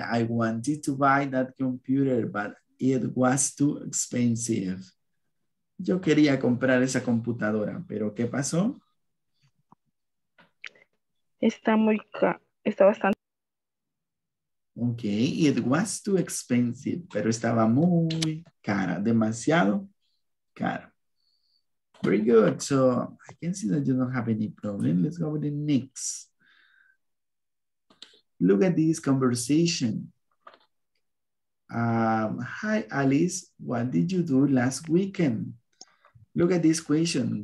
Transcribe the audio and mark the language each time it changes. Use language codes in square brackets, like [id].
[en] I wanted to buy that computer, but it was too expensive. [es] Yo quería comprar esa computadora, pero ¿qué pasó? Está bastante. Okay, [en] it was too expensive, [es] pero estaba muy cara, demasiado cara. [en] Very good. So I can see that you don't have any problem. Let's go with the next. Look at this conversation. Hi, Alice. What did you do last weekend? Look at this question.